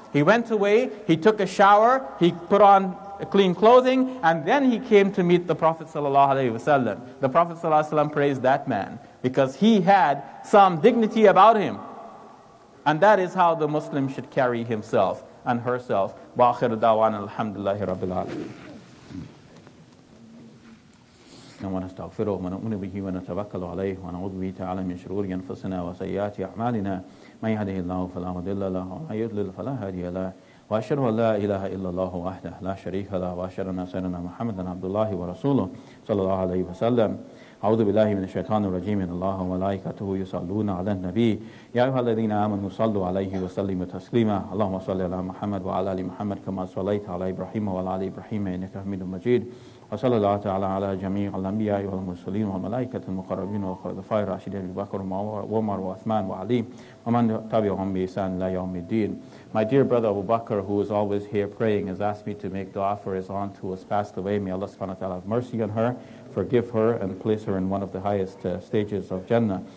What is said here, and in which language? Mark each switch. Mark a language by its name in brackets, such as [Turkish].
[English] He went away, he took a shower, he put on clean clothing, and then he came to meet the Prophet ﷺ. The Prophet ﷺ praised that man, because he had some dignity about him. And that is how the Muslim should carry himself and herself. [Arabic] وَآخِرُ دَوَانَ الْحَمْدُ اللَّهِ رَبِّ الْعَالَمِينَ ونستغفره ونؤمن به ونتوكل عليه ونعوذ به تعالى من شرور انفسنا وسيئات اعمالنا من يهده الله فلا مضل له ومن يضلل فلا هادي له واشهد ان لا اله الا الله وحده لا شريك له واشهد ان سيدنا محمدا عبد الله ورسوله صلى الله عليه وسلم اعوذ بالله من الشيطان الرجيم ان الله وملائكته يصلون على النبي يا ايها الذين امنوا صلوا عليه وسلموا تسليما اللهم صل على محمد وعلى ال محمد كما صليت على ابراهيم وعلى ال ابراهيم انك حميد مجيد وصلى الله تعالى على جميع الأنبياء والمرسلين والملائكة المقربين والخلفاء الراشدين أبي بكر وعمر وعثمان وعلي ومن تبعهم بإحسان إلى يوم الدين. [English] My dear brother Abu Bakr, who is always here praying, has asked me to make dua for his aunt who has passed away. May Allah subhanahu wa ta'ala have mercy on her, forgive her, and place her in one of the highest stages of Jannah.